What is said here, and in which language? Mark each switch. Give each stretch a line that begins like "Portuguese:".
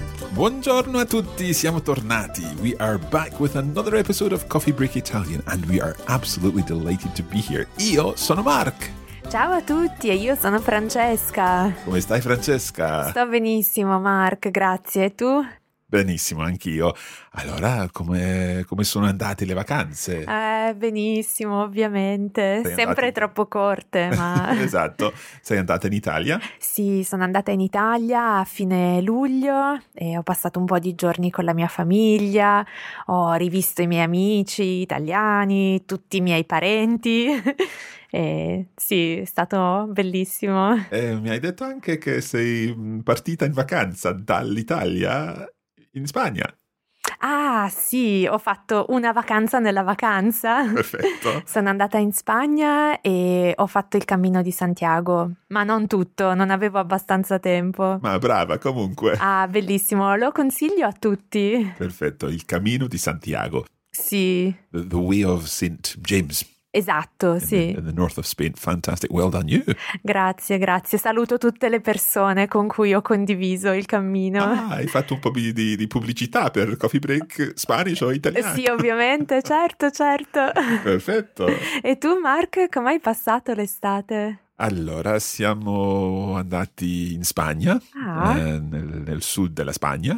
Italian: Buongiorno a tutti, siamo tornati.
English: We are back with another episode of Coffee Break Italian and we are absolutely delighted to be here.
Italian: Io sono Mark. Ciao a tutti e io sono Francesca. Come stai, Francesca? Sto benissimo, Mark, grazie. E tu? Benissimo, anch'io. Allora, come sono andate le vacanze? Benissimo, ovviamente. Sempre troppo corte, ma... Esatto. Sei andata in Italia? Sì, sono andata in Italia a fine luglio e ho passato un po' di giorni con la mia famiglia, ho rivisto i miei amici italiani, tutti i miei parenti... sì, è stato bellissimo. Mi hai detto anche che sei partita in vacanza dall'Italia in Spagna. Ah, sì, ho fatto una vacanza nella vacanza. Perfetto. Sono andata in Spagna e ho fatto il Cammino di Santiago, ma non tutto, non avevo abbastanza tempo. Ma brava, comunque. Ah, bellissimo, lo consiglio a tutti. Perfetto, il Cammino di Santiago. Sì.
English: The Way of St. James.
Italian: Esatto, sì.
English: In the north of Spain, fantastic, well done you.
Italian: Grazie, grazie. Saluto tutte le persone con cui ho condiviso il cammino. Ah, hai fatto un po' di pubblicità per Coffee Break Spanish o italiano. Sì, ovviamente, certo, certo. Perfetto. E tu, Mark, come hai passato l'estate? Allora, siamo andati in Spagna, nel sud della Spagna.